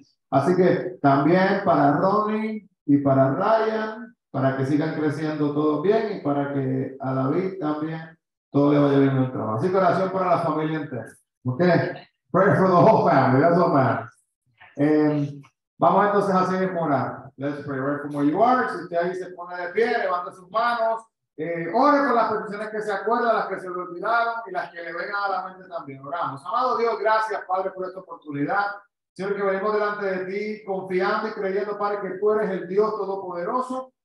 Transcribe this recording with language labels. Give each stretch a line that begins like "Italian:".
Spanish: Así que también para Ronnie y para Ryan, para que sigan creciendo todos bien y para que a David también todo le vaya bien en el trabajo. Así que oración para la familia entera. Ok.
English: Pray for the whole family, that's what matters.
Spanish: Vamos entonces a seguir orando.
English: Let's pray right from where you are.
Spanish: Si usted ahí se pone de pie, levanta sus manos. Ore con las peticiones que se acuerda, las que se le olvidaron y las que le vengan a la mente también. Oramos. Amado Dios, gracias, Padre, por esta oportunidad. Señor, que venimos delante de ti confiando y creyendo, Padre, que tú eres el Dios todopoderoso.